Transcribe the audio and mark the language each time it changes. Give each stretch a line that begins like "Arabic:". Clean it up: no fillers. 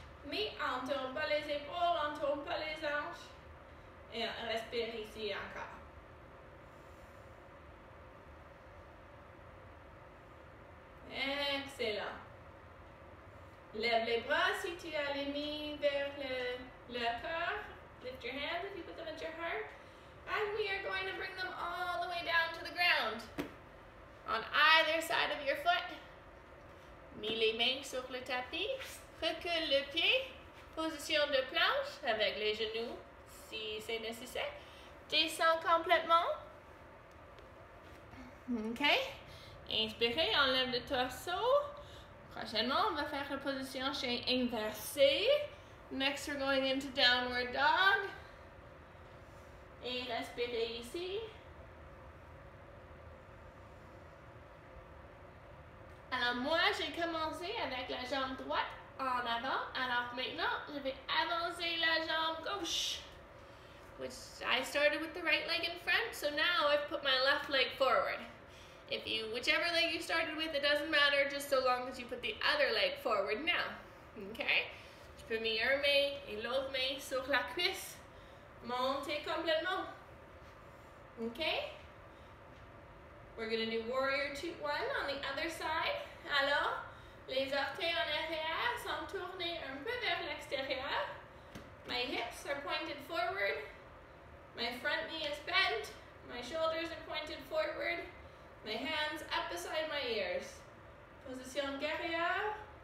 French: Mais on ne tourne pas les épaules, on ne tourne pas les hanches. Et on respire ici encore. Excellent. Lève les bras si tu as les mains vers le cœur.
English: Lift your hands if you put them at your heart. And we are going to bring them all the way down to the ground. On either side of your foot.
French: Mets les mains sur le tapis. Recule le pied. Position de planche avec les genoux si c'est nécessaire. Descends complètement. OK. Inspirez, enlève le torse. Prochainement, on va faire la position chien inversé.
English: Next, we're going into downward dog.
French: Et respirez ici. Alors, moi, j'ai commencé avec la jambe droite en avant. Alors maintenant, je vais avancer la jambe gauche.
English: Which I started with the right leg in front, so now I've put my left leg forward. If you, whichever leg you started with, it doesn't matter, just so long as you put the other leg forward now. Okay?
French: Je peux m'irmer et l'autre main sur la cuisse. Montez complètement. Okay?
English: We're gonna do warrior 2-1 on the other side.
French: Alors, les orteils en arrière sont tournés un peu vers l'extérieur.
English: My hips are pointed forward. My front knee is bent. My shoulders are pointed forward. My hands up beside my ears.
French: Position guerrière.